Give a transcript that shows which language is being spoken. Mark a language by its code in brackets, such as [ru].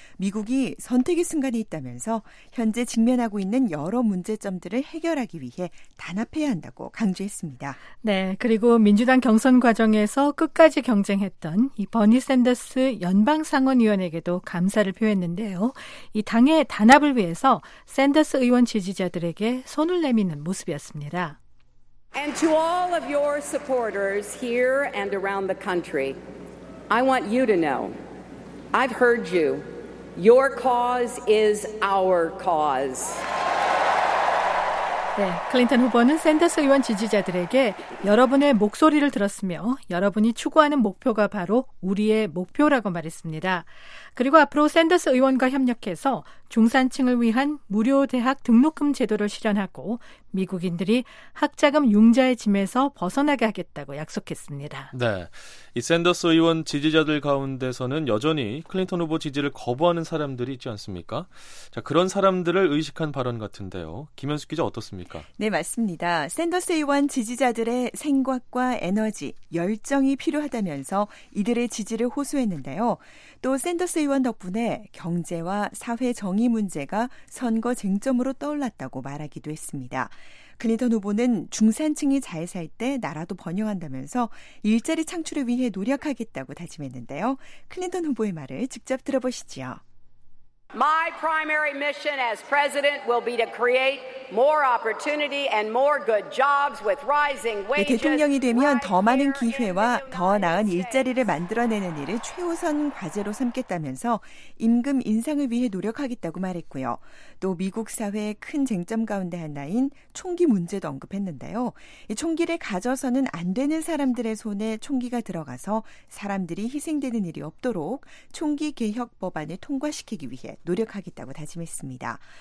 [ko] 미국이 선택의 순간이 있다면서 현재 직면하고 있는 여러 문제점들을 해결하기 위해 단합해야 한다고 강조했습니다. 네, 그리고 민주당 경선 과정에서 끝까지 경쟁했던 이 버니 샌더스 연방 상원의원에게도 감사를 표했는데요. 이 당의 단합을 위해서 샌더스 의원 지지자들에게 손을 내미는 모습이었습니다. [en] And to all of your supporters here and around the country, I want you to know, I've heard you. Your cause is our cause. [ko] 네, 클린턴 후보는 샌더스 의원 지지자들에게 여러분의 목소리를 들었으며 여러분이 추구하는 목표가 바로 우리의 목표라고 말했습니다. 그리고 앞으로 샌더스 의원과 협력해서 중산층을 위한 무료 대학 등록금 제도를 실현하고 미국인들이 학자금 융자의 짐에서 벗어나게 하겠다고 약속했습니다. 네, 이 샌더스 의원 지지자들 가운데서는 여전히 클린턴 후보 지지를 거부하는 사람들이 있지 않습니까? 자, 그런 사람들을 의식한 발언 같은데요. 김현숙 기자 어떻습니까? 네, 맞습니다. 샌더스 의원 지지자들의 생각과 에너지, 열정이 필요하다면서 이들의 지지를 호소했는데요. 또 샌더스 의원 덕분에 경제와 사회 정의 문제가 선거 쟁점으로 떠올랐다고 말하기도 했습니다. 클린턴 후보는 중산층이 잘 살 때 나라도 번영한다면서 일자리 창출을 위해 노력하겠다고 다짐했는데요. 클린턴 후보의 말을 직접 들어보시죠. [en] My primary mission as president will be to create more opportunity and more good jobs with rising wages. [ko] 네, 대통령이 되면 더 많은 기회와 더 나은 일자리를 만들어내는 일을 최우선 과제로 삼겠다면서 임금 인상을 위해 노력하겠다고 말했고요. 또 미국 사회의 큰 쟁점 가운데 하나인 총기 문제도 언급했는데요. 이 총기를 가져서는 안 되는 사람들의 손에 총기가 들어가서 사람들이 희생되는 일이 없도록 총기 개혁 법안을 통과시키기 위해 노력하겠다고 다짐했습니다.